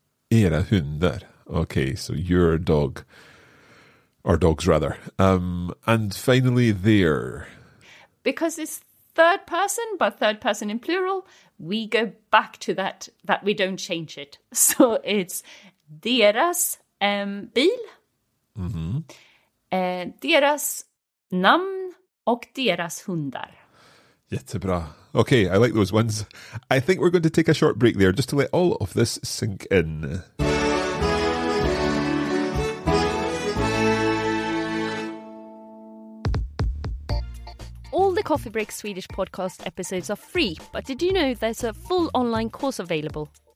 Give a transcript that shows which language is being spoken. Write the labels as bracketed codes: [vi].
[sv] Era hundar. [en] Okay, so your dog. Or dogs, rather. And finally, there. Because it's third person, but third person in plural, we go back to that we don't change it. So it's deras bil, mm-hmm. [sv] Deras namn och deras hundar. [en] Jättebra. Okay, I like those ones. I think we're going to take a short break there just to let all of this sink in. Coffee Break Swedish podcast episodes are free, but did you know there's a full online course available?